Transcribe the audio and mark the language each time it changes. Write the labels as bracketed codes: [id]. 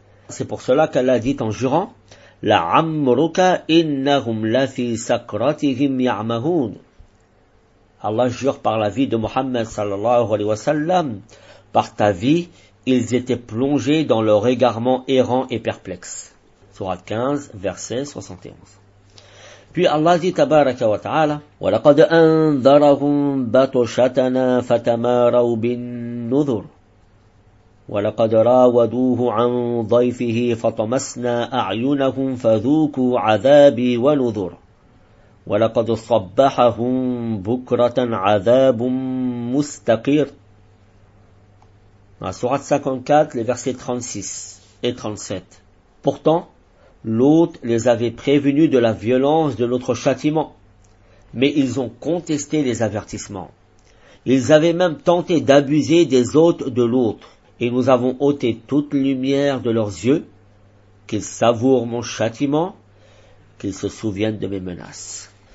[fr] C'est pour cela qu'Allah dit en jurant, « [ar] La'amruka innahum lafi sakratihim ya'mahoun [fr] » Allah jure par la vie de Muhammad sallallahu alayhi wa sallam, par ta vie, ils étaient plongés dans leur égarement errant et perplexe. Sourate 15, verset 71. Puis Allah dit [ar] tabaraka wa ta'ala, وَلَقَدْ أَنذَرَهُمْ بَطُشَتَنَا فَتَمَارَوْا بِالنُّذُرْ وَلَقَدْ رَاوَدُوهُ عَنْ ضَيْفِهِ فَطَمَسْنَا أَعْيُنَهُمْ فَذُوكُوا عَذَابِي وَنُذُرْ وَلَقَدْ صَبَّحَهُمْ بُكْرَةً عَذَابٌ مُسْتَقِيرٌ. [fr] Dans la Sourate 54, les versets 36 et 37. Pourtant, Lot les avait prévenus de la violence de notre châtiment, mais ils ont contesté les avertissements. Ils avaient même tenté d'abuser des hôtes de Lot, et nous avons ôté toute lumière de leurs yeux, qu'ils savourent mon châtiment, qu'ils se souviennent de mes menaces.